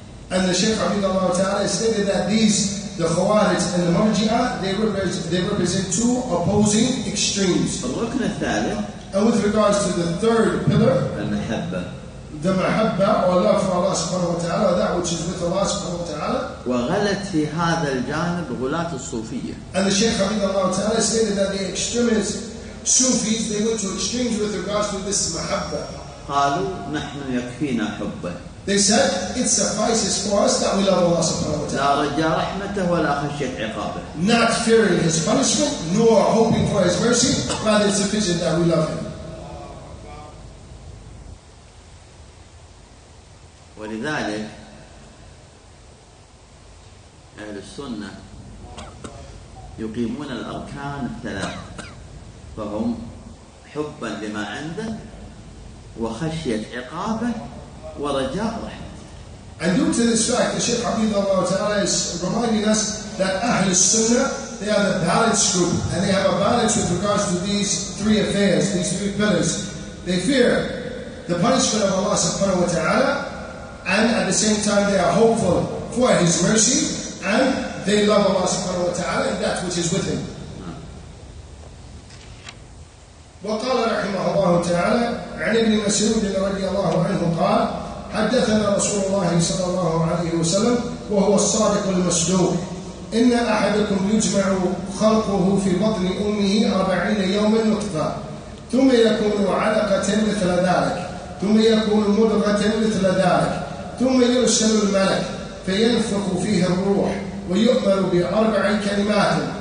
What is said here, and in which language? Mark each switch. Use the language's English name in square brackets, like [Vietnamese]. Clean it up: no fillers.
[English] And the Shaykh Abdullah ta'ala stated that these, the Khawarij and the Marji'ah, they represent two opposing extremes. And with regards to the third pillar, the mahabba or love for Allah subhanahu wa ta'ala, that which is with Allah subhanahu wa ta'ala. [Arabic] وغلت في هذا الجانب غلات الصوفية. [English] And the Shaykh Hafidhullah ta'ala stated that the extremist Sufis, they went to extremes with regards to this mahabba. [Arabic] قالوا نحن يكفينا حبه. [English] They said, it suffices for us that we love Allah subhanahu wa ta'ala. [Arabic] لا رجاء رحمته ولا خشية عقابه. [English] Not fearing his punishment, nor hoping for his mercy, but it's sufficient that we love him. [Arabic] ولذلك أهل السنة يقيمون الأركان الثلاث، فهم حبا لما عنده وخشية عقابه ورجاء رحمته. [English] And due to this fact, the Shaykh Hafidhullah Ta'ala is reminding us that Ahl al-Sunnah, they are the balanced group, and they have a balance with regards to these three affairs, these three pillars. They fear the punishment of Allah subhanahu wa ta'ala, and at the same time they are hopeful for His mercy, and they love Allah subhanahu wa ta'ala and that which is with Him. [Arabic] وقال رحمه الله تعالى عن ابن مسعود رضي الله عنه قال حدثنا رسول الله صلى الله عليه وسلم وهو الصادق المصدوق إن أحدكم يجمع خلقه في بطن أمه 40 يوما نطفة ثم يكون علقة مثل ذلك ثم يكون مدغة مثل ذلك ثم يرسل الملك فينفخ فيه الروح ويؤمر بأربع كلمات